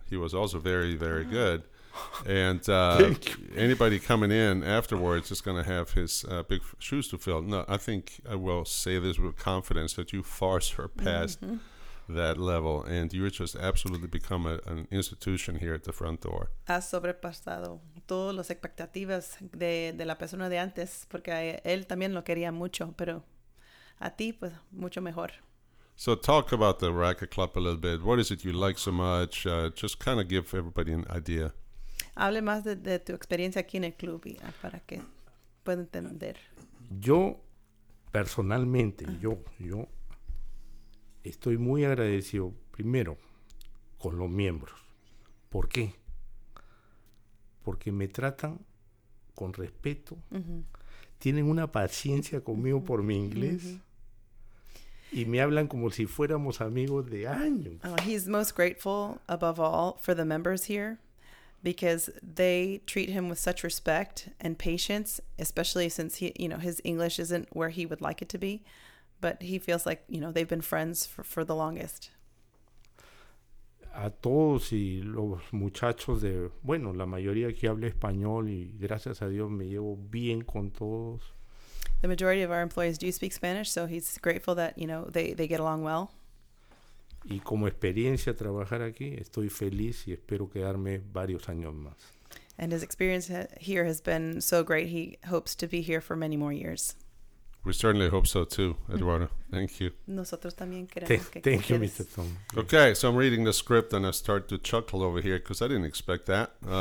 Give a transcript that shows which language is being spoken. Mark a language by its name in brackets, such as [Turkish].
[English] He was also very, very good. And anybody coming in afterwards is going to have his big shoes to fill. No, I think I will say this with confidence that you far surpassed that level, and you're just absolutely become an institution here at the front door. [Spanish] Has sobrepasado todas las expectativas de la persona de antes, porque él también lo quería mucho, pero a ti, pues, mucho mejor. [English] So talk about the Raqqa Club a little bit. What is it you like so much? Just kind of give everybody an idea. [Spanish] Hable más de tu experiencia aquí en el club y para que pueda entender. Yo, personalmente, yo estoy muy agradecido, primero, con los miembros. ¿Por qué? Porque me tratan con respeto. Uh-huh. Tienen una paciencia conmigo por mi inglés. Uh-huh. Y me hablan como si fuéramos amigos de años. [English] He's most grateful, above all, for the members here. Because they treat him with such respect and patience, especially since his English isn't where he would like it to be. But he feels like, you know, they've been friends for the longest. [Spanish] A todos y los muchachos de, bueno, la mayoría aquí habla español y gracias a Dios me llevo bien con todos. [English] The majority of our employees do speak Spanish, so he's grateful that, you know, they get along well. [Spanish] Y como experiencia trabajar aquí, estoy feliz y espero quedarme varios años más. [English] And his experience here has been so great, he hopes to be here for many more years. We certainly hope so too, Eduardo. Thank you. [Spanish] Nosotros también queremos [English] thank, [Spanish] que thank quieres. You, Mr. Tom. [English] Okay, so I'm reading the script and I start to chuckle over here because I didn't expect that.